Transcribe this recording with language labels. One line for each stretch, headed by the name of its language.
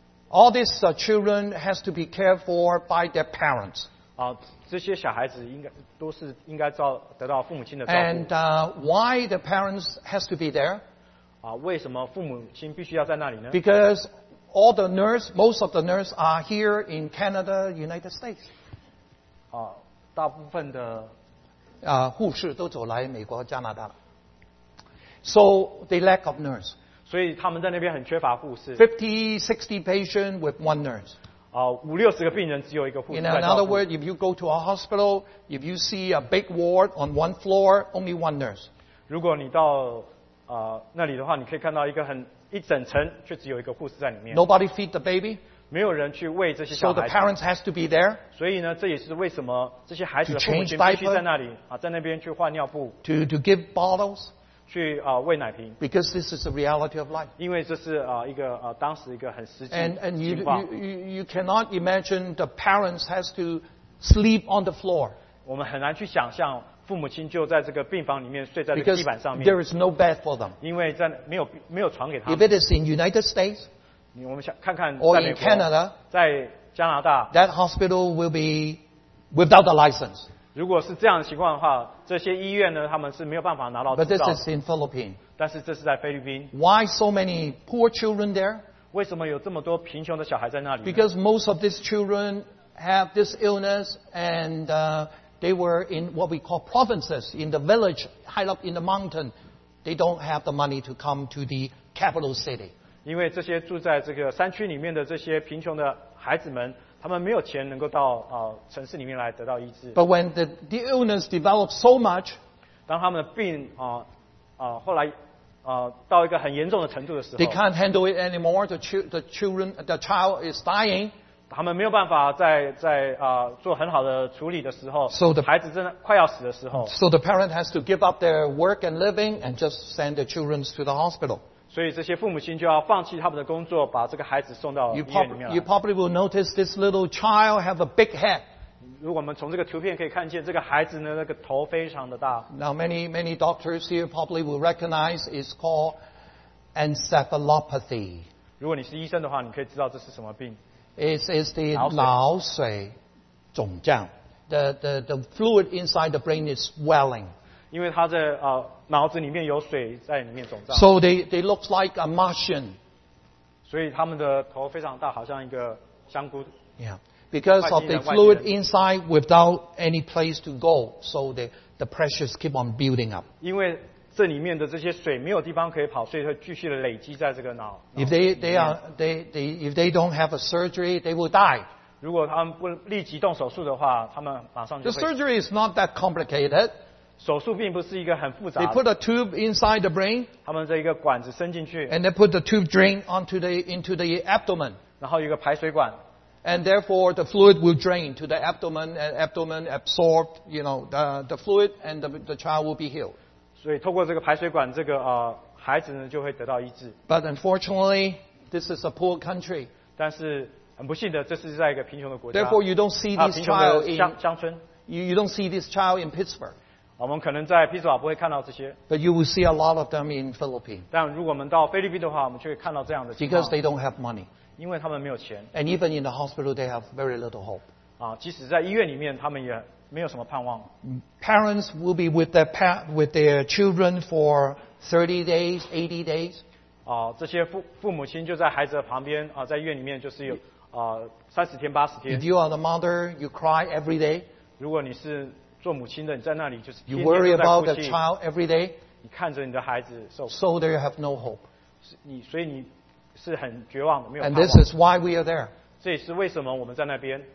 English: All these children has to be cared for by their parents.
Chinese: 这些小孩子应该得到父母亲的照顾。
English: And why the parents has to be there?
Chinese: 为什么父母亲必须要在那里呢？
English: Because all the nurse, most of the nurse are here in Canada, United States.
Chinese: 大部分的护士都走来美国、加拿大了。
English: So they lack of nurse.
Chinese: 所以他们在那边很缺乏护士。
English: 50-60 patient with one nurse.
Chinese: 五六十个病人只有一个护士。
English: In another word, if you go to a hospital, if you see a big ward on one floor, only one nurse.
Chinese: 如果你到那里的话，你可以看到一整层却只有一个护士在里面。
English: Nobody feed the baby.
Chinese: 没有人去喂这些小孩。
English: So the parents has to be there.
Chinese: 所以呢，这也是为什么这些孩子的父母亲必须在那里在那边去换尿布。
English: To give bottles.
Chinese: 去喂奶瓶
English: ，because this is the reality of life.
Chinese: 因为这是一个当时一个很实际的情况。
English: And you cannot imagine the parents has to sleep on the floor.
Chinese: 我们很难去想象父母亲就在这个病房里面睡在这个地板上面。
English: There is no bed for them.
Chinese: 因为在没有床给他们。
English: If it is in United States,
Chinese: 我们想看看
English: or in Canada,
Chinese: 在加拿大
English: ，that hospital will be without a license.
Chinese: 如果是这样的情况的话，这些医院呢，他们是没有办法拿到执照。
English: But this is in Philippines.
Chinese: 但是这是在菲律宾。
English: Why so many poor children there?
Chinese: 为什么有这么多贫穷的小孩在那里呢？
English: Because most of these children have this illness, and they were in what we call provinces, in the village, high up in the mountain. They don't have the money to come to the capital city.
Chinese: 因为这些住在这个山区里面的这些贫穷的孩子们。他们没有钱能够到城市里面来得到医治。
English: But when the illness develops so much,
Chinese: 当他们的病后来到一个很严重的程度的时候
English: ，they can't handle it anymore. The child is dying.
Chinese: 他们没有办法在做很好的处理的时候
English: ，so the
Chinese: 孩子真的快要死的时候
English: ，so the parent has to give up their work and living and just send the children to the hospital.
Chinese: 所以这些父母亲就要放弃他们的工作，把这个孩子送到医院里面来。
English: You probably will notice this little child have a big head.
Chinese: 如果我们从这个图片可以看见，这个孩子呢，那个头非常的大。
English: Now many doctors here probably will recognize it's called encephalopathy.
Chinese: 如果你是医生的话，你可以知道这是什么病。
English: It's the
Chinese: 脑水肿胀。
English: The fluid inside the brain is swelling.
Chinese: 因为他的脑子里面有水在里面肿胀。
English: So they look like a Martian.
Chinese: 所以他们的头非常大，好像一个香菇。
English: Yeah, because of the fluid inside without any place to go, so they, the pressures keep on building up.
Chinese: 因为这里面的这些水没有地方可以跑，所以会继续的累积在这个脑。
English: If they don't have a surgery, they will die.
Chinese: 如果他们不立即动手术的话，他们马上就会。
English: The surgery is not that complicated.
Chinese: 手术并不是一个很复杂的。
English: They put a tube inside the brain.
Chinese: 他们这一个管子伸进去。
English: And they put the tube drain onto the into the abdomen.
Chinese: 然后一个排水管。
English: And therefore, the fluid will drain to the abdomen, and abdomen absorbed, you know, the fluid, and the child will be healed.
Chinese: 所以透过这个排水管，这个孩子呢就会得到医治。
English: But unfortunately, this is a poor country.
Chinese: 但是很不幸的，这是在一个贫穷的国家。
English: Therefore, you don't see this child in
Chinese: 乡村。
English: You don't see this child in Pittsburgh.
Chinese: 我们可能在匹兹堡不会看到这些。
English: But you will see a lot of them in Philippines.
Chinese: 但如果我们到菲律宾的话，我们就会看到这样的情况。
English: Because they don't have money.
Chinese: 因为他们没有钱。
English: And even in the hospital, they have very little hope.
Chinese: 啊，即使在医院里面，他们也没有什么盼望。
English: Parents will be with their children for 30 days, 80 days.
Chinese: 啊，这些父母亲就在孩子的旁边啊，在医院里面就是有啊30天、80天。
English: If you are the mother, you cry every day.
Chinese: 如果你是做母亲的，你在那里就是天天都在哭泣。
English: You worry about the child every day.
Chinese: 你看着你的孩子受苦。
English: So they have no hope.
Chinese: 所以你。是很绝望的，没有盼望。
English: And this is why we are there.
Chinese: 这也是为什么我们在那边。